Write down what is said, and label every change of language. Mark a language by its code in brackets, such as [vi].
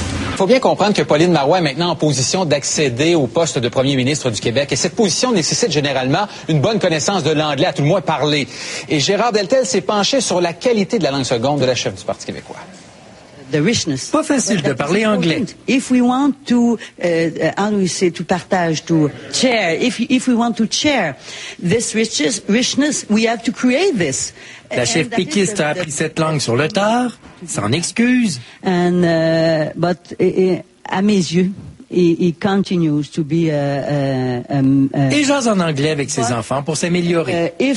[fr] Il faut bien comprendre que Pauline Marois est maintenant en position d'accéder au poste de premier ministre du Québec. Et cette position nécessite généralement une bonne connaissance de l'anglais, à tout le moins parler. Et Gérard Deltel s'est penché sur la qualité de la langue seconde de la chef du Parti québécois. [en] The richness. [fr] Pas facile de parler anglais. [en] If we want to, to partage, to share, if we want to share this richness, we have to create this. [fr] La chef péquiste a appris cette langue sur le tard, sans excuse. [en] And, but [fr] à mes yeux, [en] he continues to be [fr] Et jase en anglais avec ses enfants pour s'améliorer.